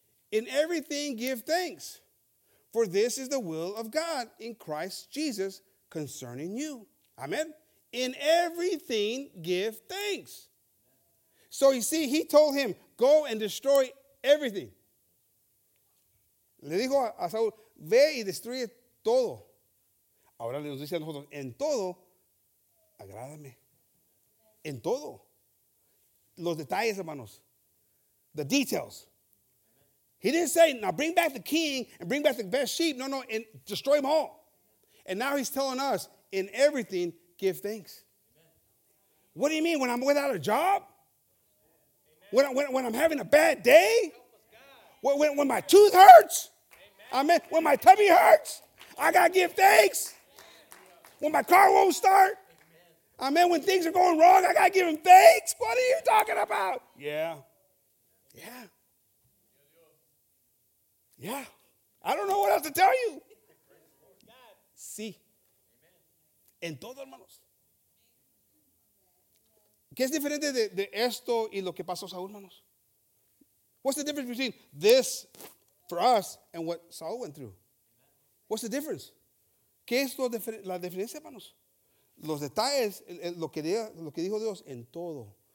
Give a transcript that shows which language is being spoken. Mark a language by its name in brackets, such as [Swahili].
[English] In everything give thanks, for this is the will of God in Christ Jesus concerning you. Amén. In everything give thanks. So you see, he told him, go and destroy everything. [Spanish] Le dijo a Saúl, ve y destruye todo. Ahora le dice a nosotros, en todo, agrádame. En todo. Los detalles, hermanos. [English] The details. He didn't say, now bring back the king and bring back the best sheep. No, no, and destroy them all. And now he's telling us, in everything, give thanks. Amen. What do you mean? When I'm without a job? Amen. When I'm having a bad day? Help us, God. When my tooth hurts? Amen. Amen. When my tummy hurts? I got to give thanks. Amen. When my car won't start? Amen. Amen. When things are going wrong, I got to give him thanks? What are you talking about? Yeah. Yeah. Yeah. I don't know what else to tell you. See. [Spanish] Sí. En todo, hermanos. ¿Qué es diferente de esto y lo que pasó Saúl, hermanos? [English] What's the difference between this for us and what Saul went through? What's the difference? [Spanish] ¿Qué es la diferencia, hermanos? Los detalles, lo que dijo Dios, en todo.